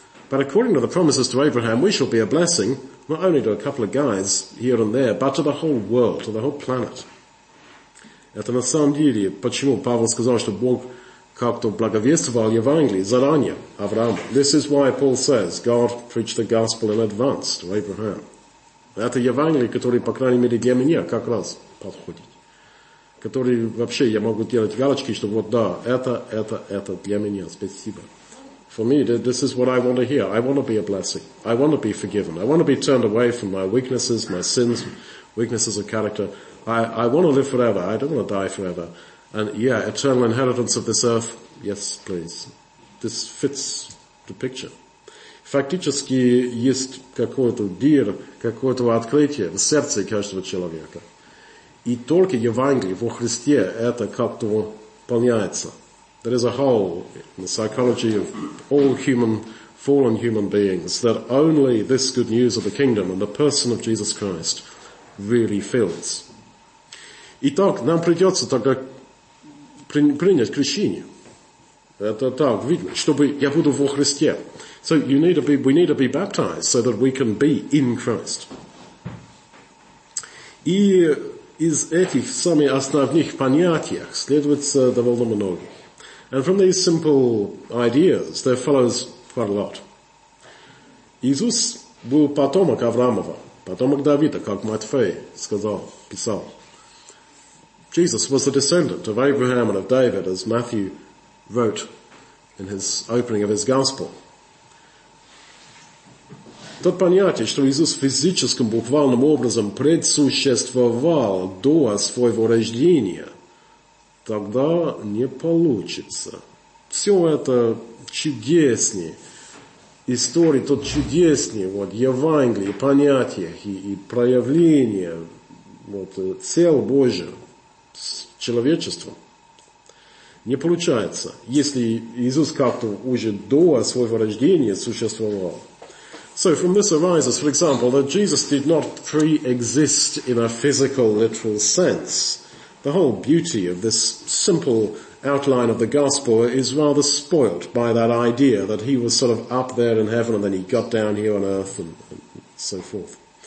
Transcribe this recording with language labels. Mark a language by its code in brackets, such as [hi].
[en] But according to the promises to Abraham, we shall be a blessing, not only to a couple of guys here and there, but to the whole world, to the whole planet. [ru] Это на самом деле, почему Павел сказал, что Бог как-то благовествовал Евангелие заранее Аврааму. [en] This is why Paul says, God preached the gospel in advance to Abraham. [ru] Это Евангелие, которое, по крайней мере, для меня как раз подходит. Который вообще я могу делать галочки, что вот да, это для меня, спасибо. [en] For me, this is what I want to hear. I want to be a blessing. I want to be forgiven. I want to be turned away from my weaknesses, my sins, weaknesses of character. I want to live forever. I don't want to die forever. And yeah, eternal inheritance of this earth. Yes, please. This fits the picture. [ru] Фактически есть какой-то дир, какое-то открытие в сердце каждого человека. И только Евангелие во Христе это как-то выполняется. [en] There is a hole in the psychology of all human, fallen human beings that only this good news of the kingdom and the person of Jesus Christ really fills. [ru] Итак, нам придется тогда принять крещение. Это так видно, чтобы я буду во Христе. [en] So you need to be, we need to be baptized so that we can be in Christ. [ru] И из этих самых основных понятий следует довольно много. [en] And from these simple ideas, there follows quite a lot. [ru] Иисус был потомок Авраамова, потомок Давида, как Матфей сказал, писал. [en] Jesus was a descendant of Abraham and of David, as Matthew wrote in his opening of his gospel. [ru] Тот понятие, что Иисус физическим буквальным образом предсуществовал до своего рождения, тогда не получится. Все это чудесные истории, тот чудесный вот, Евангелие, понятие и проявление вот, цел Божия с человечеством. Не получается, если Иисус как-то уже до своего рождения существовал. [en] So from this arises, for example, that Jesus did not pre-exist in a physical, literal sense. The whole beauty of this simple outline of the gospel is rather spoilt by that idea that he was sort of up there in heaven and then he got down here on earth and so forth.